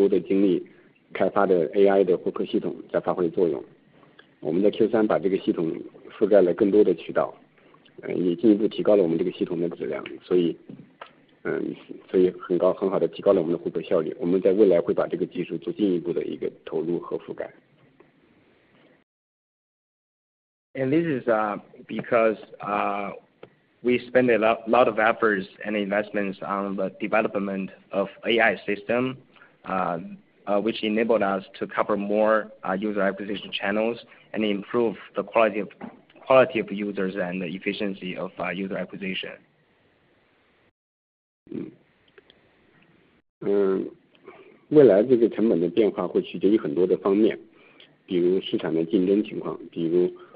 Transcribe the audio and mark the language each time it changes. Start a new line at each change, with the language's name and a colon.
Chinese: 这里的原因主要是我们前期投入比较多的精力开发的 AI 的获客系统在发挥作用。我们的 Q3 把这个系统覆盖了更多的渠道，也进一步提高了我们这个系统的质量，所以很高很好的提高了我们的获客效率。我们在未来会把这个技术做进一步的一个投入和覆盖。
English: And this is because we spend a lot of efforts and investments on the development of AI system, which enabled us to cover more user acquisition channels and improve the quality of users and the efficiency of user acquisition.
Chinese: 未来这个成本的变化会取决于很多的方面，比如市场的竞争情况，比如。